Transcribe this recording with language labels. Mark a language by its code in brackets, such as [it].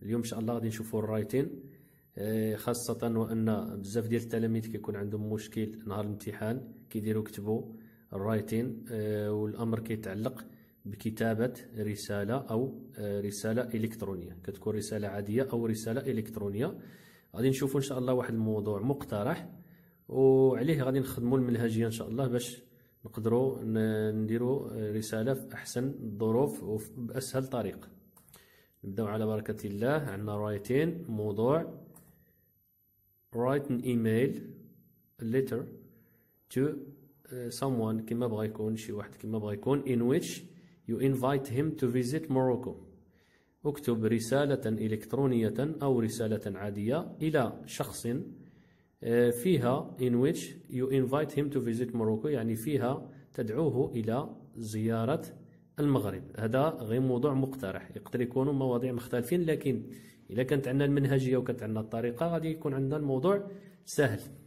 [ar] اليوم إن شاء الله غادي نشوفوا الرايتين، خاصة وأن بزاف ديال التلاميذ كيكون عندهم مشكل نهار الامتحان كيديروا يكتبوا الرايتين، والأمر كيتعلق بكتابة رسالة أو رسالة إلكترونية، كتكون رسالة عادية أو رسالة إلكترونية. غادي نشوفوا إن شاء الله واحد الموضوع مقترح وعليه غادي نخدموا المنهجية إن شاء الله باش نقدروا نديروا رسالة في أحسن الظروف وبأسهل طريق. نبدأ على بركة الله. عندنا رايتين، موضوع [en] write an email a letter to someone [ar] كما بغى يكون شي واحد كما بغى يكون [en] in which you invite him to visit Morocco. [ar] اكتب رسالة إلكترونية أو رسالة عادية إلى شخص فيها [en] in which you invite him to visit Morocco، [ar] يعني فيها تدعوه إلى زيارة المغرب. هذا غير موضوع مقترح، يقدر يكونوا مواضيع مختلفين، لكن إذا كانت عندنا المنهجية وكانت عندنا الطريقة غادي يكون عندنا الموضوع سهل.